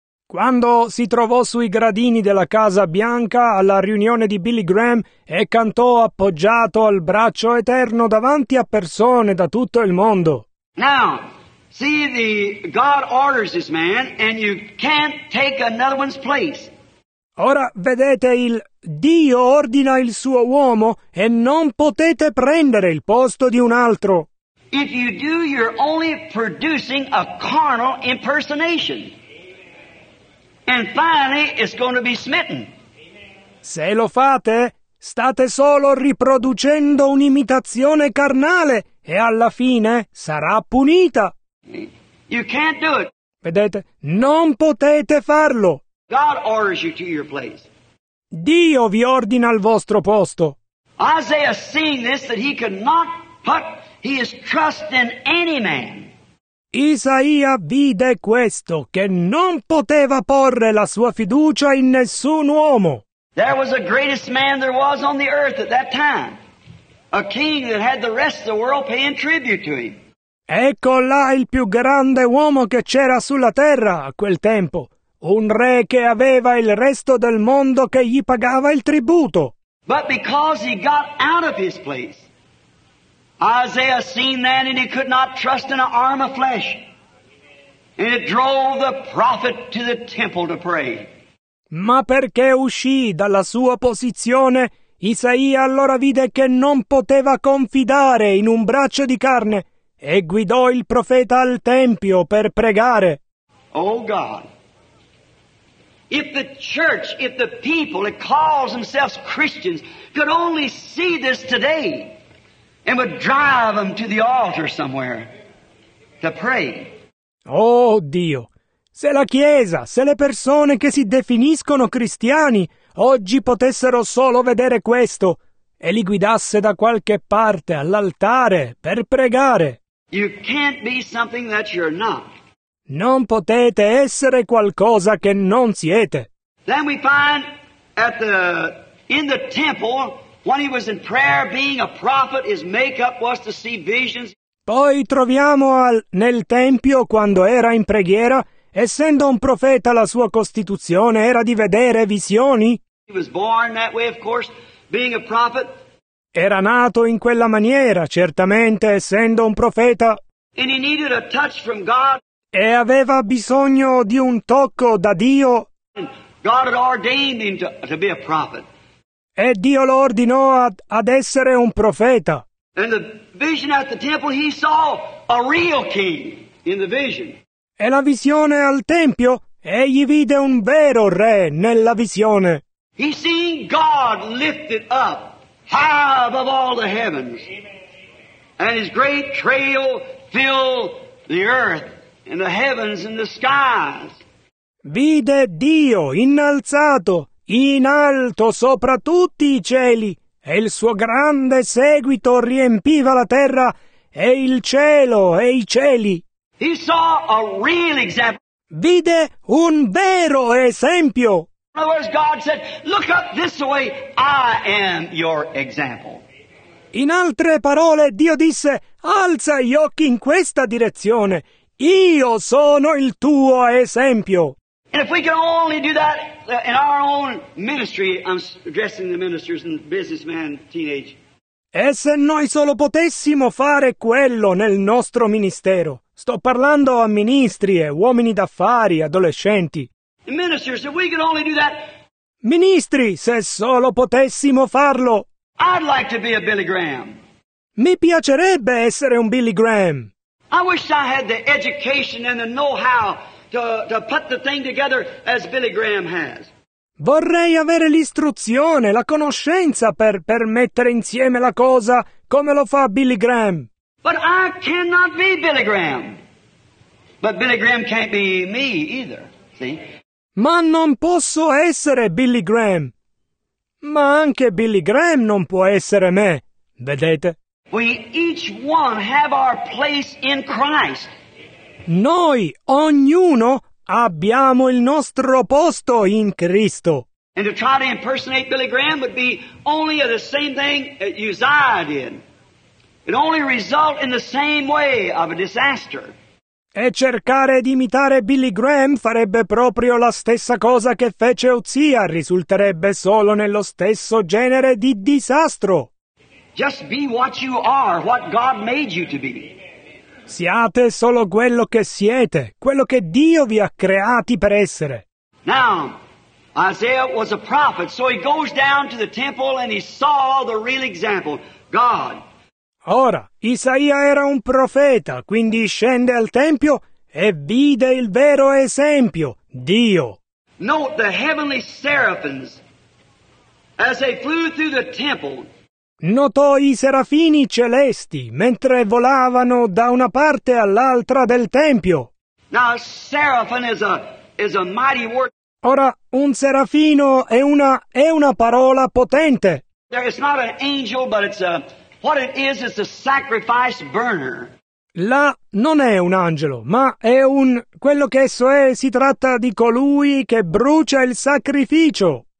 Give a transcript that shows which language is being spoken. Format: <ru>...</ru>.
<it>Quando si trovò sui gradini della Casa Bianca alla riunione di Billy Graham e cantò appoggiato al braccio eterno davanti a persone da tutto il mondo.</it> <en>Now, see, the God orders this man, and you can't take another one's place.</en> <it>Ora vedete, il Dio ordina il suo uomo, e non potete prendere il posto di un altro.</it> <en>If you do, you're only producing a carnal impersonation. And finally, it's going to be smitten.</en> <it>Se lo fate, state solo riproducendo un'imitazione carnale, e alla fine sarà punita.</it> <en>You can't do it.</en> <it>Vedete, non potete farlo.</it> <en>God orders you to your place.</en> <it>Dio vi ordina al vostro posto.</it> <en>Isaiah seeing this that he could not put his trust in any man.</en> <it>Isaia vide questo, che non poteva porre la sua fiducia in nessun uomo.</it> <en>There was the greatest man there was on the earth at that time. A king that had the rest of the world paying tribute to him.</en> <it>Ecco là il più grande uomo che c'era sulla terra a quel tempo. Un re che aveva il resto del mondo che gli pagava il tributo.</it> <en>But because he got out of his place, Isaiah seen that, and he could not trust in an arm of flesh. And it drove the prophet to the temple to pray.</en> <it>Ma perché uscì dalla sua posizione, Isaia allora vide che non poteva confidare in un braccio di carne e guidò il profeta al tempio per pregare.</it> <en>Oh God, if the church, if the people that calls themselves Christians could only see this today and would drive them to the altar somewhere to pray.</en> <it>Oh Dio, se la Chiesa, se le persone che si definiscono cristiani oggi potessero solo vedere questo e li guidasse da qualche parte all'altare per pregare.</it> <en>You can't be something that you're not.</en> <it>Non potete essere qualcosa che non siete.</it> <en>Then we find at in the temple, when he was in prayer, being a prophet, his makeup was to see visions.</en> <it>Poi troviamo nel tempio, quando era in preghiera, essendo un profeta, la sua costituzione era di vedere visioni.</it> <en>He was born that way, of course, being a prophet.</en> <it>Era nato in quella maniera, certamente, essendo un profeta.</it> <en>And he needed a touch from God.</en> <it>E aveva bisogno di un tocco da Dio.</it> <en>God had ordained him to be a prophet.</en> <it>E Dio lo ordinò ad essere un profeta.</it> <en>And the vision at the temple, he saw a real king in the vision.</en> <it>E la visione al tempio, egli vide un vero re nella visione.</it> <en>He seen God lifted up high above all the heavens. And his great trail filled the earth. And the heavens and the skies.</en> <it>Vide Dio innalzato in alto sopra tutti i cieli, e il suo grande seguito riempiva la terra e il cielo e i cieli.</it> <en>He saw a real example.</en> <it>Vide un vero esempio.</it> <en>In other words, God said, "Look up this way. I am your example."</en> <it>In altre parole, Dio disse: "Alza gli occhi in questa direzione. Io sono il tuo esempio."</it> <en>And if we can only do that in our own ministry, I'm addressing the ministers and businessmen, teenage.</en> <it>E se noi solo potessimo fare quello nel nostro ministero, sto parlando a ministri e uomini d'affari, adolescenti.</it> <en>And ministers, if we can only do that.</en> <it>Ministri, se solo potessimo farlo.</it> <en>I'd like to be a Billy Graham.</en> <it>Mi piacerebbe essere un Billy Graham.</it> <en>I wish I had the education and the know-how to put the thing together as Billy Graham has.</en> <it>Vorrei avere l'istruzione, la conoscenza per mettere insieme la cosa come lo fa Billy Graham.</it> <en>But I cannot be Billy Graham. But Billy Graham can't be me either, see?</en> <it>Ma non posso essere Billy Graham. Ma anche Billy Graham non può essere me, vedete?</it> <en>We each one have our place in Christ.</en> <it>Noi, ognuno, abbiamo il nostro posto in Cristo.</it> <en>And to try to impersonate Billy Graham would be only the same thing that Uzziah did. It only result in the same way of a disaster.</en> <it>E cercare di imitare Billy Graham farebbe proprio la stessa cosa che fece Uzziah, risulterebbe solo nello stesso genere di disastro.</it> <en>Just be what you are, what God made you to be.</en> <it>Siate solo quello che siete, quello che Dio vi ha creati per essere.</it> <en>Now, Isaiah was a prophet, so he goes down to the temple and he saw the real example, God.</en> <it>Ora, Isaia era un profeta, quindi scende al tempio e vide il vero esempio, Dio.</it> <en>Note the heavenly seraphims as they flew through the temple.</en> <it>Notò i serafini celesti mentre volavano da una parte all'altra del tempio.</it> <en>Now, seraphim is a mighty word.</en> <it>Ora, un serafino è una parola potente.</it> <en>It's not an angel, but it's a sacrifice burner.</en> <it>Là non è un angelo, ma è un quello che esso è, si tratta di colui che brucia il sacrificio.</it>